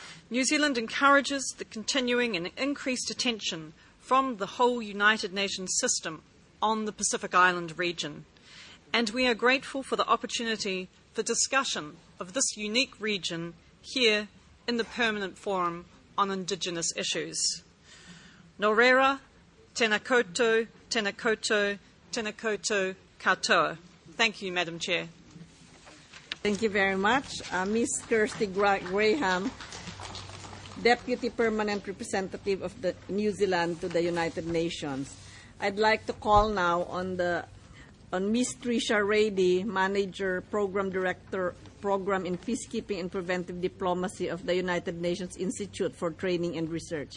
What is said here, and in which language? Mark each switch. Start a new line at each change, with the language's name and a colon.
English: New Zealand encourages the continuing and increased attention from the whole United Nations system on the Pacific Island region, and we are grateful for the opportunity for discussion of this unique region here in the Permanent Forum on Indigenous Issues.
Māori: Nō reira, tēnā koutou, tēnā koutou, tēnā koutou katoa.
English: Thank you, Madam Chair. Thank you very much. Ms. Kirsty Graham, Deputy Permanent Representative of the New Zealand to the United Nations. I'd like to call now on Ms. Tricia Rady, Manager, Program Director, Program in Peacekeeping and Preventive Diplomacy of the United Nations Institute for Training and Research.